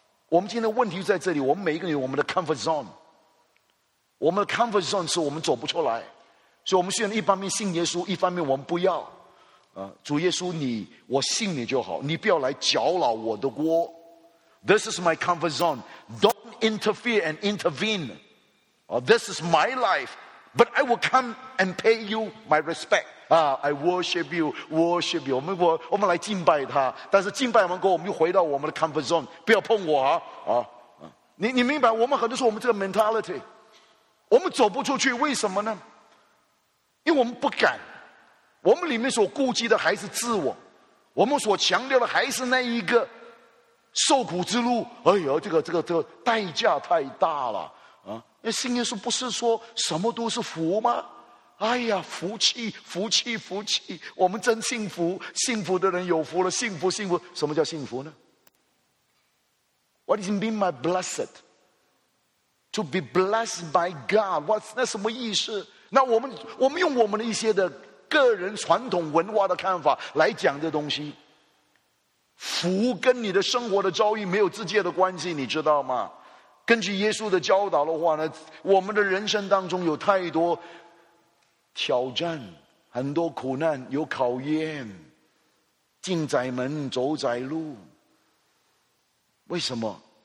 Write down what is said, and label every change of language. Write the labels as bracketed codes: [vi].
[zh] 我们今天的问题就在这里，我们每一个人有我们的 comfort zone， 我们的 comfort zone 是我们走不出来。所以我们虽然一方面信耶稣，一方面我们不要啊，主耶稣你我信你就好，你不要来搅扰我的锅。 [en] This is my comfort zone. Don't interfere and intervene. Oh, this is my life, but I will come and pay you my respect. I worship you, worship you. [zh] 我们来敬拜他，但是敬拜完过后，我们又回到我们的 comfort zone. 不要碰我啊！你明白？我们很多时候我们这个 mentality， 我们走不出去，为什么呢？因为我们不敢，我们里面所顾忌的还是自我，我们所强调的还是那一个受苦之路。哎呦，这个代价太大了啊！那圣经说不是说什么都是福吗？哎呀，福气，福气，福气！我们真幸福，幸福的人有福了，幸福，幸福！什么叫幸福呢 [en] ？What does it mean, my blessed? To be blessed by God? [zh] What's 那什么意思？那我们用我们的一些的个人传统文化的看法来讲这东西，福跟你的生活的遭遇没有直接的关系，你知道吗？根据耶稣的教导的话呢，我们的人生当中有太多挑战，很多苦难，有考验，进窄门走窄路。为什么？